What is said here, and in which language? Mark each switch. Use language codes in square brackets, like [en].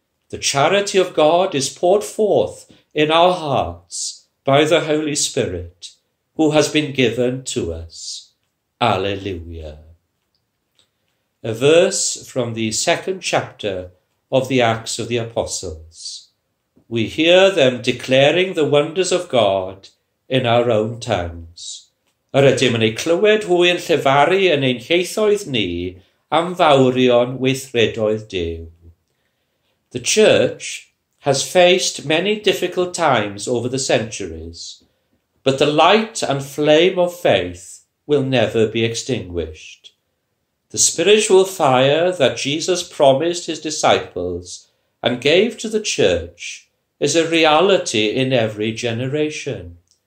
[en] The charity of God is poured forth in our hearts by the Holy Spirit, who has been given to us. Alleluia. A verse from the second chapter of the Acts of the Apostles. We hear them declaring the wonders of God in our own tongues. [cy] Yr ydym yn ei clywed hwy'n llefaru yn ein ieithoedd ni am fawrion weithredoedd Duw. [en] The church has faced many difficult times over the centuries, but the light and flame of faith will never be extinguished. The spiritual fire that Jesus promised his disciples and gave to the church is a reality in every generation.